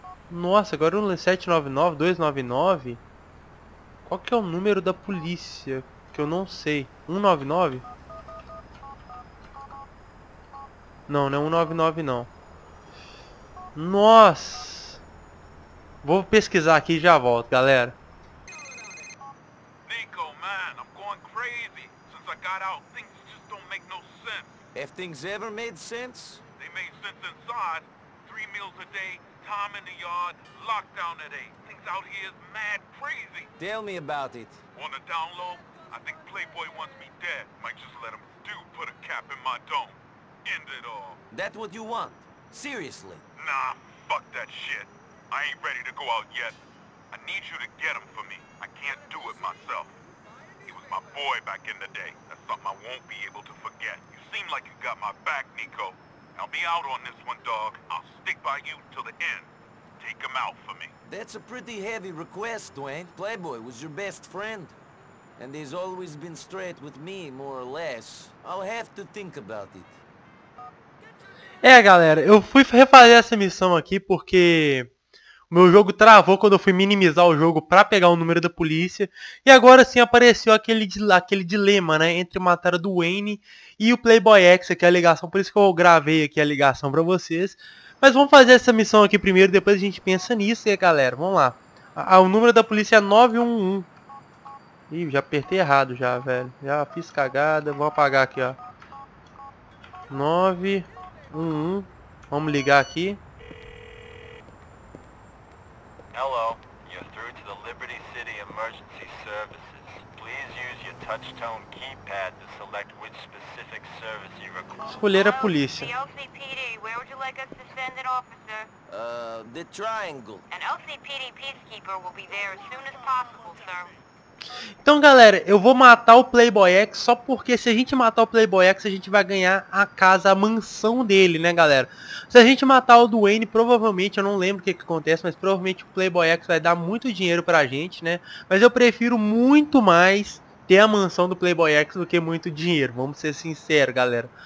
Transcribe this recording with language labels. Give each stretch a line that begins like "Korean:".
Portuguese: Nossa, agora é 799-299. Qual que é o número da polícia? Que eu não sei. 199? Não, não é 199 não. Nossa! Vou pesquisar aqui e já volto, galera.
English: Nico, man, I'm going crazy. Since I got out, things just don't make no sense. Have things ever made sense? They made sense inside. Three meals a day, time in the yard, lockdown at 8. Things out here is mad crazy. Tell me about it. Wanna download? I think Playboy wants me dead. Might just let him do put a cap in my dome. End it all. That's what you want? Seriously? Nah, fuck that shit. I ain't ready to go out yet. I need you to get him for me. I can't do it myself. He was my boy back in the day. That's something I won't be able to forget. You seem like you got my back, Nico. I'll be out on this one, dog. I'll stick by you till the end. Take him out for me. That's a pretty heavy request, Dwayne. Playboy was your best friend. And he's always been straight with me, more or less. I'll have to think about it.
Portuguese: É, galera, eu fui refazer essa missão aqui porque o meu jogo travou quando eu fui minimizar o jogo pra pegar o número da polícia. E agora sim apareceu aquele dilema, né, entre matar o Dwayne e o Playboy X, que é a ligação. Por isso que eu gravei aqui a ligação pra vocês. Mas vamos fazer essa missão aqui primeiro, depois a gente pensa nisso, e galera, vamos lá. Ah, o número da polícia é 911. Ih, já apertei errado já, velho. Já fiz cagada. Vou apagar aqui, ó. 911. Vamos ligar aqui.
English: Hello, you're through to the Liberty City Emergency Services. Please use your touchtone keypad to select which specific service you require.
Portuguese: Escolher a polícia.
English: The LCPD, where would you like us to send an officer? The Triangle. An LCPD peacekeeper will be there as soon as possible, sir.
Portuguese: Então galera, eu vou matar o Playboy X só porque se a gente matar o Playboy X, a gente vai ganhar a casa, a mansão dele, né galera? Se a gente matar o Duane, provavelmente, eu não lembro o que acontece, mas provavelmente o Playboy X vai dar muito dinheiro pra gente, né? Mas eu prefiro muito mais ter a mansão do Playboy X do que muito dinheiro, vamos ser sinceros, galera.